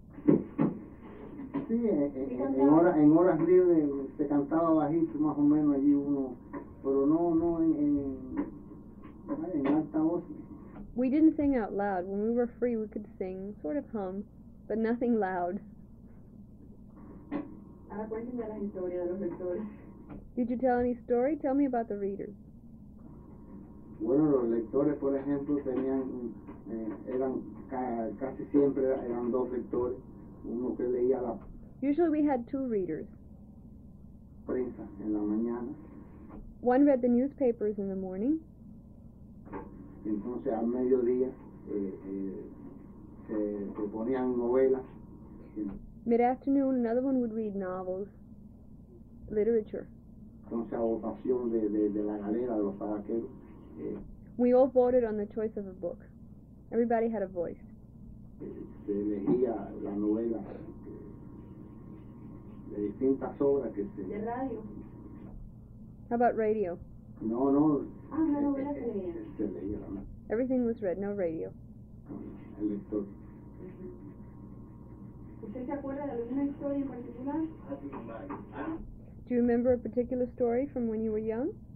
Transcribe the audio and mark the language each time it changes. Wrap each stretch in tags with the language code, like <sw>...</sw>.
<es>Sí, en horas libres se cantaba bajito más o menos allí uno, pero no en alta voz.</es> <en>We didn't sing out loud. When we were free, we could sing, sort of hum, but nothing loud.</en> <es>Ahora cuéntame la historia de los lectores.</es> <en>Did you tell any story? Tell me about the readers.</en> <es>Bueno, los lectores, por ejemplo, tenían, eran casi siempre eran dos lectores, uno que leía la.</es> <en>Usually we had two readers.</en> <es>Prensa en la mañana.</es> <en>One read the newspapers in the morning.</en> <es>Entonces al mediodía se ponían novelas.</es> <en>Mid-afternoon, another one would read novels, literature.</en> <es>Entonces a votación de la galera, de los paraqueros.</es> <en>We all voted on the choice of a book. Everybody had a voice.</en> <es>Se elegía la novela de distintas obras que se. De radio.</es> <en>How about radio?</en> <es>No, no. Ah, la novela se leía. Se leía la</es> <en>novela. Everything was read, no radio.</en> <es>El lector. ¿Usted se acuerda de alguna historia en particular?</es> <en>Do you remember a particular story from when you were young?</en>